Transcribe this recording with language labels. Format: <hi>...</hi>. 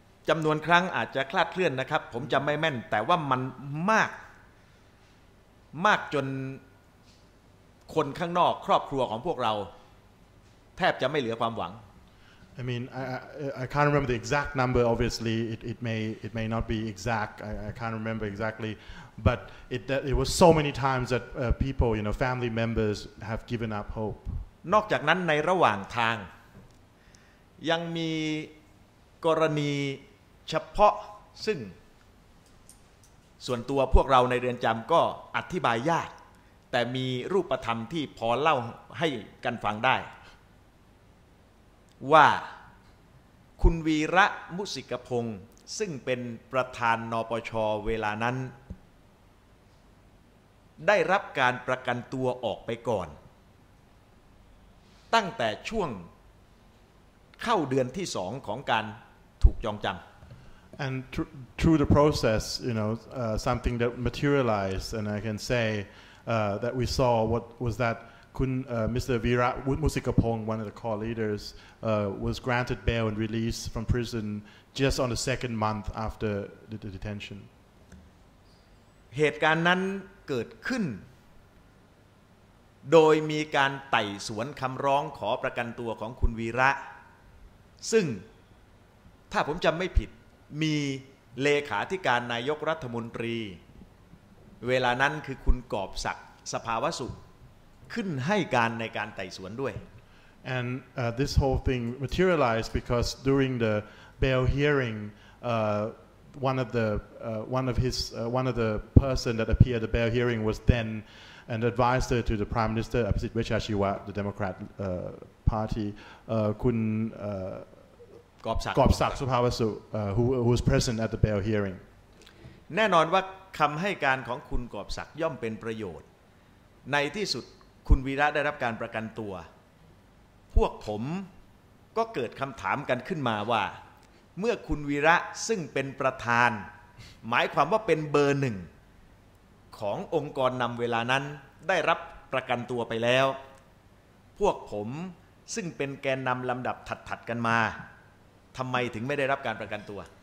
<th>จำนวนครั้งอาจจะคลาดเคลื่อนนะครับผมจำไม่แม่นแต่ว่ามันมากจนคนข้างนอกครอบครัวของพวกเราแทบจะไม่เหลือความหวัง</th> <en>I mean, I can't remember the exact number. Obviously, it may not be exact. I can't remember exactly, but it was so many times that people, you know, family members have given up hope.</en> <th>นอกจากนั้นในระหว่างทางยังมีกรณีเฉพาะซึ่งส่วนตัวพวกเราในเรือนจำก็อธิบายยากแต่มีรูปธรรมที่พอเล่าให้กันฟังได้ว่าคุณวีระมุสิกพงศ์ซึ่งเป็นประธานนปช.เวลานั้น ได้รับการประกันตัวออกไปก่อนตั้งแต่ช่วงเข้าเดือนที่สองของการถูกจองจำ</th> <en>and through the process you know something that materialized and I can say that we saw what was that Kun Mr. Vira Musikapong one of the core leaders was granted bail and released from prison just on the second month after the detention</en> <th>เหตุการณ์นั้นเกิดขึ้นโดยมีการไต่สวนคำร้องขอประกันตัวของคุณวีระซึ่งถ้าผมจำไม่ผิดมีเลขาธิการนายกรัฐมนตรีเวลานั้นคือคุณกอบศักดิ์สภาวสุขขึ้นให้การในการไต่สวนด้วย</th> <en>and this whole thing materialized because during the bail hearing one of the person that appeared at the bail hearing was thenand advisor to the prime minister Aphisit Wicharachiwa the democrat party kun Gopsak Suphawasu who was present at the bail hearing</en> <th>แน่นอนว่าคําให้การของคุณกอบศักดิ์ย่อมเป็นประโยชน์ในที่สุดคุณวีระได้รับการประกันตัวพวกผมก็เกิดคําถามกันขึ้นมาว่าเมื่อคุณวีระซึ่งเป็นประธานหมายความว่าเป็นเบอร์1ขององค์กรนำเวลานั้นได้รับประกันตัวไปแล้วพวกผมซึ่งเป็นแกนนำลำดับถัดๆกันมาทำไมถึงไม่ได้รับการประกันตัว</th>